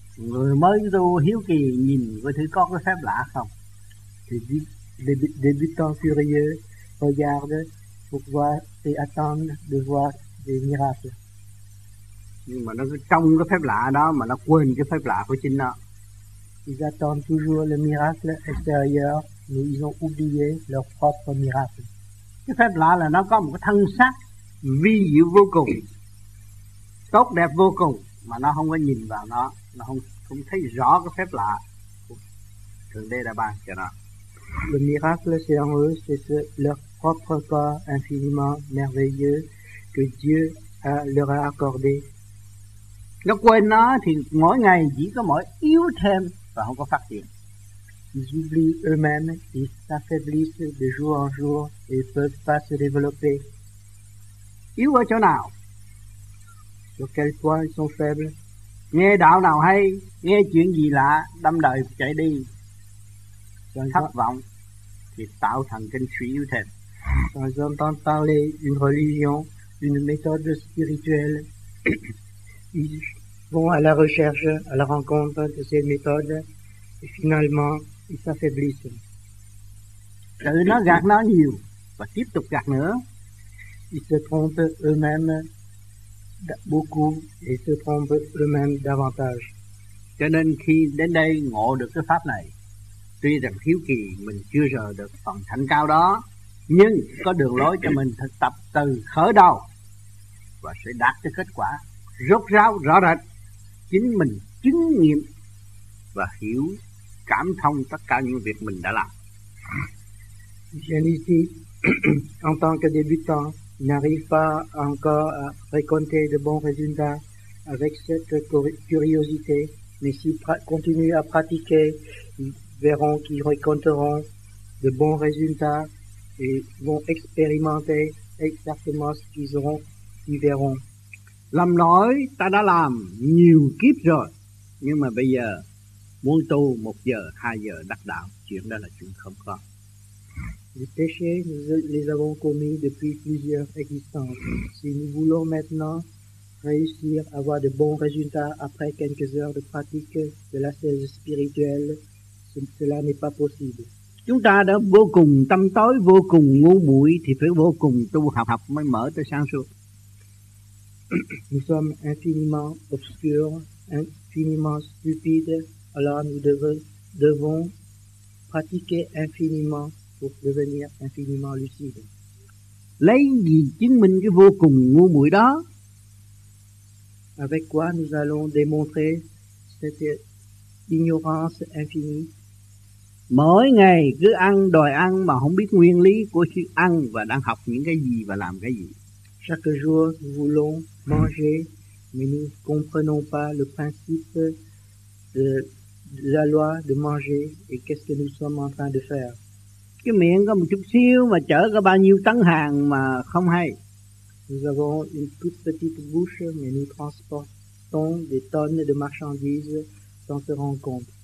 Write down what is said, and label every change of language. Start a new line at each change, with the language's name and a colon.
Vietnamese: Người mới tu hiếu kỳ nhìn coi thứ có cái phép lạ không?
French: Débutants curieux regardent pour voir et attendent de voir des miracles.
Vietnamese: Nhưng mà nó trong cái phép lạ đó mà nó quên cái phép lạ của chính nó.
French: Ils attendent toujours le miracle extérieur, mais ils ont oublié leur propre miracle.
Vietnamese: Cái phép lạ là nó có một cái thân xác vi diệu vô cùng, tốt đẹp vô cùng, mà nó không có nhìn vào nó không thấy rõ cái phép lạ của Thượng Đế đã ban cho nó.
French: Le miracle, c'est en eux, c'est leur propre corps infiniment merveilleux que Dieu leur a accordé.
Vietnamese: Nó quên nó thì mỗi ngày chỉ có mỗi yếu thêm và không có phát triển.
French: Ils oublient eux-mêmes, ils s'affaiblissent de jour en jour et ne peuvent pas se développer.
Vietnamese: Yếu ở chỗ nào?
French: Sur quel point ils sont faibles?
Vietnamese: Nghe đạo nào hay, nghe chuyện gì lạ, đâm đời chạy đi. Thất vọng thì tạo thần kinh suy yếu thêm.
French: Quand ils entendent parler d'une religion, d'une méthode spirituelle, ils vont à la recherche, à la rencontre de ces méthodes, et finalement, ils s'affaiblissent.
Vietnamese: Tự nó gạt nó nhiều, và tiếp tục gạt nữa.
French: Ils se trompent eux-mêmes beaucoup, et se trompent eux-mêmes davantage.
Vietnamese: Cho nên khi đến đây ngộ được cái pháp này, tuy rằng hiếu kỳ mình chưa rờ được phần thành cao đó, nhưng có đường lối cho mình thực tập từ khởi đầu và sẽ đạt tới kết quả rốt ráo rõ rệt. Chính mình chứng nghiệm và hiểu cảm thông tất cả những việc mình đã làm.
French: Genesis, en tant que débutant, n'arrive pas encore à récolter de bons résultats avec cette curiosité, mais s'il continue à pratiquer, verront qu'ils rencontreront de bons résultats et vont expérimenter exactement ce qu'ils auront, ils verront.
Vietnamese: Lầm nói ta đã làm nhiều kiếp rồi, nhưng mà bây giờ muốn tu một giờ, hai giờ đắc đạo, chuyện đó là chuyện không có.
French: Les péchés, nous les avons commis depuis plusieurs existences. Si nous voulons maintenant réussir à avoir de bons résultats après quelques heures de pratique de la sagesse spirituelle, cela n'est pas possible.
Vietnamese: Chúng ta đã vô cùng tâm tối, vô cùng ngu muội thì phải vô cùng tu học, học mới mở tới sáng suốt.
French: Nous sommes infiniment obscurs, infiniment stupides, alors nous devons pratiquer infiniment pour devenir infiniment lucides.
Vietnamese: Lấy gì chứng minh cái vô cùng ngu muội đó?
French: Avec quoi nous allons démontrer cette ignorance infinie?
Vietnamese: Mỗi ngày cứ ăn đòi ăn mà không biết nguyên lý của sự ăn và đang học những cái gì và làm cái gì.
French: Chaque jour nous voulons manger mais nous ne comprenons pas le principe de la loi de manger et qu'est-ce que nous sommes en train de faire.
Vietnamese: Cái miệng có một chút xíu mà chở có bao nhiêu tấn hàng mà không hay.
French: Nous avons une toute petite bouche mais nous transportons des tonnes de marchandises sans se rendre compte.